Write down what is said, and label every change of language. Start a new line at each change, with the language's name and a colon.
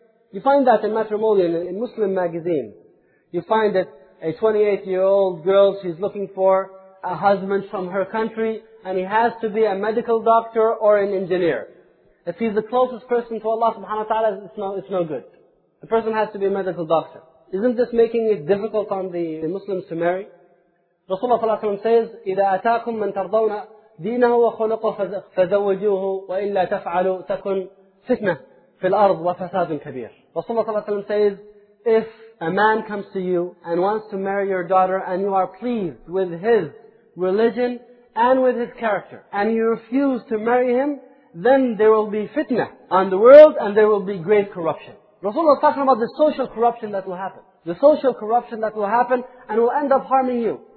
English: You find that in matrimony, in Muslim magazines. You find that a 28-year-old girl, she's looking for a husband from her country, and he has to be a medical doctor or an engineer. If he's the closest person to Allah subhanahu wa ta'ala, it's no good. The person has to be a medical doctor. Isn't this making it difficult on the Muslims to marry?
Arabic: Rasulullah sallallahu alayhi wa sallam says, إِذَا أَتَاكُم مَن تَرْضَوْنَ دِينَهُ وَخُلُقُهُ فَزَوَّجُوهُ وَإِلَّا تَفْعَلُوا تَكُن فِتْنَةً فِي الْأَرْضِ وَفَسَادٌ كَبِيرٌ.
English: Rasulullah sallallahu alayhi wa sallam says, if a man comes to you and wants to marry your daughter and you are pleased with his religion and with his character and you refuse to marry him, then there will be fitna on the world and there will be great corruption. Rasulullah is talking about the social corruption that will happen. The social corruption that will happen and will end up harming you.